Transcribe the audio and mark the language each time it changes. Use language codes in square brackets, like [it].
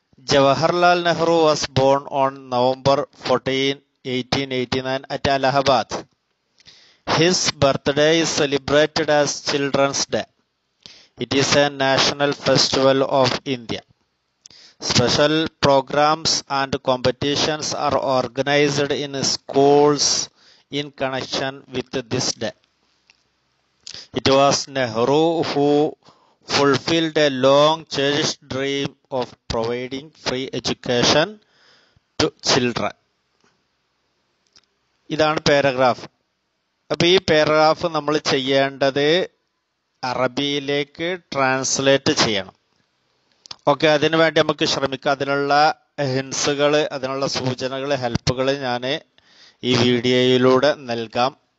[en] Jawaharlal Nehru was born on November 14, 1889 at Allahabad. His birthday is celebrated as Children's Day. It is a national festival of India. Special programs and competitions are organized in schools in connection with this day. It was Nehru who fulfilled a long cherished dream of providing free education to children. [ml] ഇതാണ് paragraph. അപ്പൊ ഈ paragraph നമ്മൾ ചെയ്യേണ്ടത് അറബിയിലേക്ക് translate ചെയ്യണം. Okay, അതിനുവേണ്ടി നമുക്ക് ശ്രമിക്കാം. അതിനുള്ള ഹിൻസുകൾ, അതിനുള്ള സൂചനകൾ, ഹെൽപ്പുകൾ ഞാൻ ഈ വീഡിയോയിലൂടെ നൽകാം.